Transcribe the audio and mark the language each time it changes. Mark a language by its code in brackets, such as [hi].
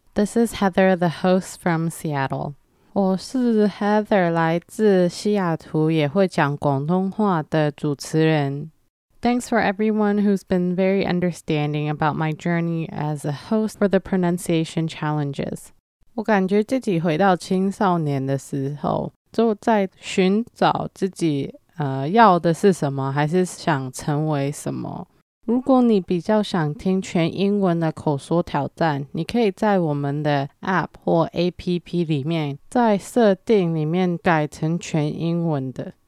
[en] This is Heather, the host from Seattle. [zh] 我是 Heather, 来自西雅图也会讲广东话的主持人。 [en] Thanks for everyone who's been very understanding about my journey as a host for the pronunciation challenges. [zh] 我感觉自己回到青少年的时候，就在寻找自己要的是什么，还是想成为什么。如果你比较想听全英文的口说挑战，你可以在我们的 App 或 APP 里面，在设定里面改成全英文的。